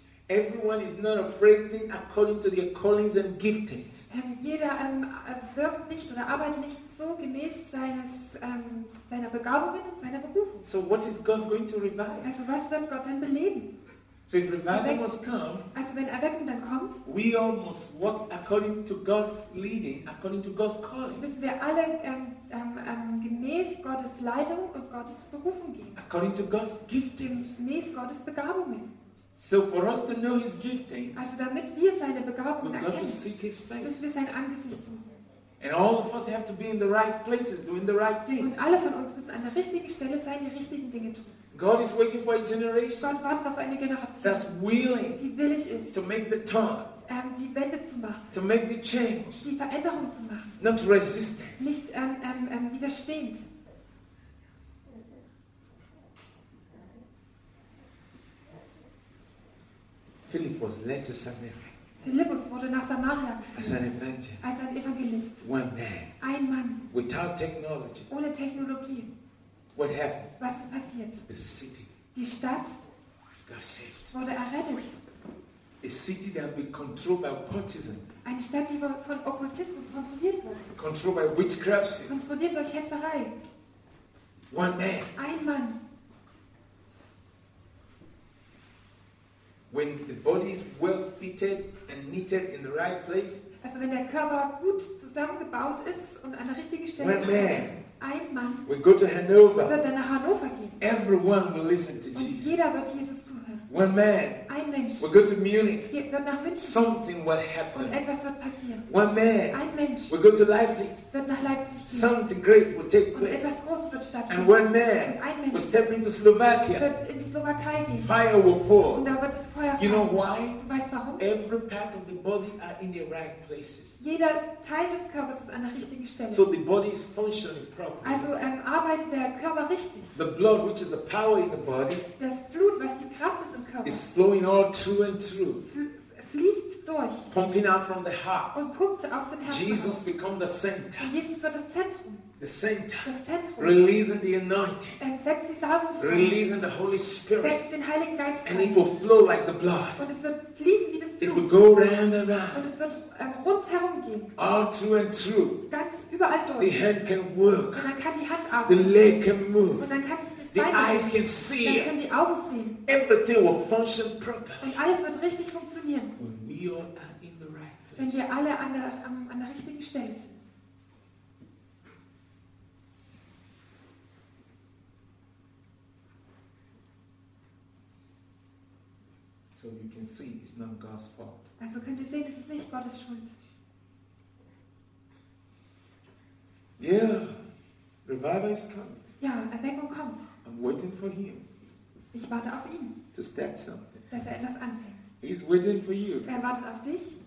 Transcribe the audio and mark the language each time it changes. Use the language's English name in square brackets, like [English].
[English] Everyone is not operating according to their callings and giftings. [German] Jeder wirkt nicht oder arbeitet nicht so gemäß seiner Begabungen und seiner Berufung. [English] So what is God going to revive? [German] Also was wird Gott denn beleben? [English] So if revival must come, [German] also wenn Erweckung dann kommt, [English] we all must walk according to God's leading, according to God's calling. [German] Müssen wir alle gemäß Gottes Leitung und Gottes Berufung gehen. [English] According to God's giftings. [German] Gemäß Gottes Begabungen. [English] So for us to know his giftings, [German] also damit wir seine Begabungen [English] we've [German] erkennen, [English] got to seek his face. [German] Müssen wir sein Angesicht suchen. [English] And all of us have to be in the right places, doing the right things. [German] Und alle von uns müssen an der richtigen Stelle sein, die richtigen Dinge tun. [English] God is waiting for a generation. [German] Gott wartet auf eine Generation. [English] That's willing. [German] Die willig ist. [English] To make the turn. [German] Die Wende zu machen. [English] To make the change. [German] Die Veränderung zu machen. [English] Not resistant. [German] Nicht widerstehend. [English] Philip was led to Samaria. [German] Philippus wurde nach Samaria geführt. [English] As an evangelist. [German] Als ein Evangelist. [English] One man. [German] Ein Mann. [English] Without technology. [German] Ohne Technologie. [English] What happened? [German] Was ist passiert? [English] The city. [German] Die Stadt. [English] God saved. [German] Wurde errettet. [English] A city that be controlled by occultism. [German] Eine Stadt, die von Okkultismus kontrolliert wird. [English] Controlled by witchcraft. [German] Kontrolliert durch Hexerei. [English] One man. [German] Ein Mann. [English] When the body is well fitted and knitted in the right place. [German] Also wenn der Körper gut zusammengebaut ist und an der richtigen Stelle ist. Ein Mann. [English] We go to Hanover. [German] Wird dann nach Hannover gehen. [English] Everyone will listen to [German] und [English] Jesus. [German] Jeder wird Jesus zuhören. [English] One man. [German] Ein Mensch. [English] We go to Munich. [German] Wird nach München. [English] Something will happen. [German] Und etwas wird passieren. [English] One man. [German] Ein Mensch. [English] We go to Leipzig. [German] Wird nach Leipzig gehen. [English] Something great will take place. [German] Und etwas Großes wird stattfinden. [English] And one man. [German] Und ein Mensch. [English] Will step into Slovakia. [German] Wird in die Slowakei gehen. [English] Fire will fall. [German] Und da wird das Feuer fallen. [English] You know why? [German] Und weißt du warum? [English] Every part of the body are in the right places. [German] Jeder Teil des Körpers ist an der richtigen Stelle. [English] So the body is functioning properly. [German] Also arbeitet der Körper richtig. [English] The blood, which is the power in the body, [German] das Blut, was die Kraft ist im Körper, [English] is flowing all through and through. [German] Fließt durch. durch. [English] Pumping out from the heart. [German] Und pumpt aus dem Herzen. [English] Jesus becomes the center. [German] Jesus wird das Zentrum. [English] The center. [German] Das Zentrum. [English] Releasing the anointing. [German] Er setzt die Salbung frei. [English] Releasing the Holy Spirit. [German] Setzt den Heiligen Geist frei. [English] And it will flow like the blood. [German] Und es wird fließen wie das Blut. [English] It will go round and round. [German] Und es wird rundherum gehen. [English] All through and through. [German] Ganz überall durch. [English] The hand can work. [German] Und dann kann die Hand arbeiten. [English] The leg can move. [German] Und dann kann sich das [English] the [German] Bein [English] eyes can see. [German] Dann können die Augen sehen. [English] Everything will function properly. [German] Und alles wird richtig funktionieren. [English] When we all are in the right place. [German] Wenn wir alle an der richtigen Stelle sind. [English] So you can see it's not God's fault. [German] Also könnt ihr sehen, es ist nicht Gottes Schuld. [English] Yeah, revival is coming. [German] Ja, Erweckung kommt. [English] I'm waiting for him. [German] Ich warte auf ihn. [English] To start something. [German] Dass er etwas anfängt. [English] He's waiting for you. [German] Er wartet auf dich.